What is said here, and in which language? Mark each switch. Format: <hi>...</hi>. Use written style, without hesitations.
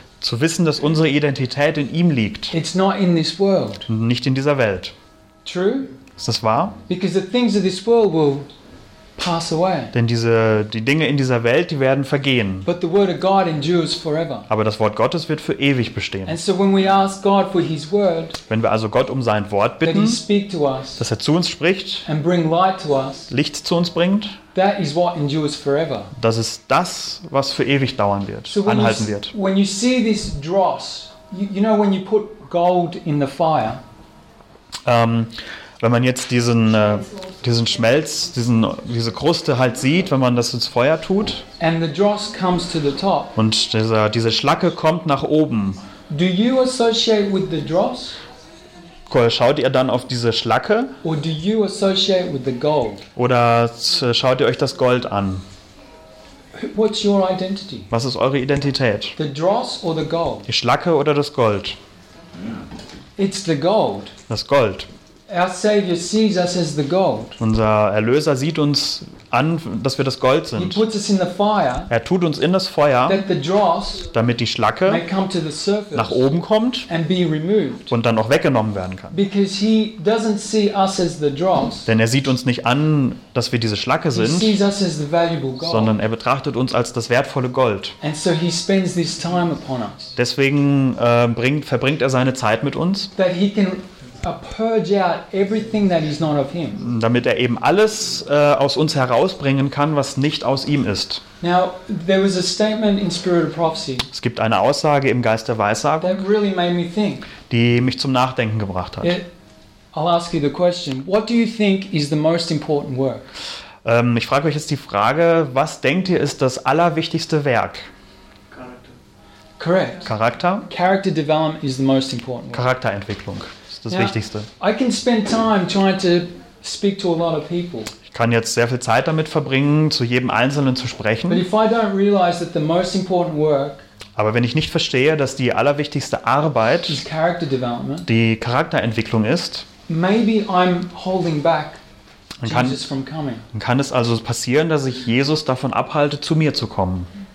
<de>Zu wissen, dass unsere Identität in ihm liegt.</de> <en>It's not in this world.</en> <de>Nicht in dieser Welt.</de> <en>True?</en> <de>Ist das wahr?</de> <en>Because the things of this world will pass away.</en> <de>Denn die Dinge in dieser Welt, die werden vergehen.</de> <en>But the word of God endures forever.</en> <de>Aber das Wort Gottes wird für ewig bestehen.</de> <en>And so when we ask God for his word,</en> <de>wenn wir also Gott um sein Wort bitten,</de> <en>that he speak to us,</en> <de>dass er zu uns spricht,</de> <en>and bring light to us,</en> <de>Licht zu uns bringt,</de> <en>that is what endures forever.</en> <de>Das ist das, was für ewig dauern wird, so anhalten wird.</de> <en>When you see this dross, you know when you put gold in the fire,</en> <de>wenn man jetzt diesen Schmelz, diese Kruste halt sieht, wenn man das ins Feuer tut,</de> <en>and the dross comes to the top,</en> <de>und diese Schlacke kommt nach oben,</de> <en>do you associate with the dross?</en> <de>Schaut ihr dann auf diese Schlacke?</de> <en>Or do you associate with the gold?</en> <de>Oder schaut ihr euch das Gold an?</de> <en>What's your identity?</en> <de>Was ist eure Identität?</de> <en>The dross or the gold?</en> <de>Die Schlacke oder das Gold?</de> <en>It's the gold.</en> <de>Das Gold.</de> <en>Our Savior sees us as the gold.</en> <de>Unser Erlöser sieht uns an, dass wir das Gold sind.</de> <en>He puts us in the fire,</en> <de>er tut uns in das Feuer,</de> <en>that the dross,</en> <de>damit die Schlacke</de> <en>may come to the surface,</en> <de>nach oben kommt,</de> <en>and be removed,</en> <de>und dann auch weggenommen werden kann.</de> <en>Because he doesn't see us as the dross,</en> <de>denn er sieht uns nicht an, dass wir diese Schlacke sind,</de> <en>he sees us as the valuable gold,</en> <de>sondern er betrachtet uns als das wertvolle Gold.</de> <en>And so he spends this time upon us.</en> <de>Deswegen verbringt er seine Zeit mit uns,</de> <en>that he can purge out everything that is not of him.</en> <de>Damit er eben alles aus uns herausbringen kann, was nicht aus ihm ist.</de> <en>Now, there was a statement in Spirit of Prophecy.</en> <de>Es gibt eine Aussage im Geist der Weissagung,</de> <en>that really made me think.</en> <de>Die mich zum Nachdenken gebracht hat.</de> <en>I'll ask you the question. What do you think is the most important work?</en> <de>Ich frage euch jetzt die Frage, was denkt ihr ist das allerwichtigste Werk?</de> <en>Correct.</en> <de>Charakter.</de> <en>Character development is the most important</en> <de>work. Charakterentwicklung ist das Wichtigste.</de> <en>I can spend time trying to speak to a lot of people.</en> <de>Ich kann jetzt sehr viel Zeit damit verbringen, zu jedem Einzelnen zu sprechen.</de> <en>But if I don't realize that the most important work,</en> <de>aber wenn ich nicht verstehe, dass die allerwichtigste Arbeit</de> <en>is character development,</en> <de>die Charakterentwicklung ist,</de> <en>maybe I'm holding back Jesus from coming.</en> <de>Dann kann es also passieren, dass ich Jesus davon abhalte, zu mir zu kommen.</de>